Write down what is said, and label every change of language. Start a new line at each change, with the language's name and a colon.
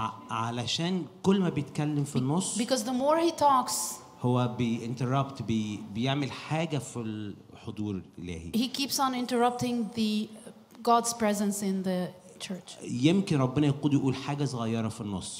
Arabic: علشان كل ما بيتكلم في النص.
English: Because the more he talks.
Arabic: هو بينترابت بيعمل حاجة في الحضور الإلهي.
English: He keeps on interrupting the God's presence in the church.
Arabic: يمكن ربنا يقود يقول حاجة صغيرة في النص.